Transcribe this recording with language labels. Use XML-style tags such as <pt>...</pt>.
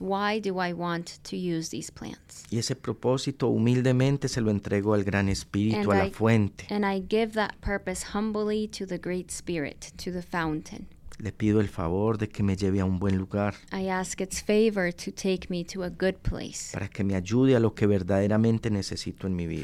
<en>Why do I want to use these plants?</en> <es>Y ese propósito humildemente se lo entrego al gran espíritu, a la fuente.</es> <en>And I give that purpose humbly to the great spirit, to the fountain.</en> <es>Le pido el favor de que me lleve a un buen lugar.</es> <en>I ask its favor to take me to a good place.</en> <es>Para que me ayude a lo que verdaderamente necesito en mi vida.</es>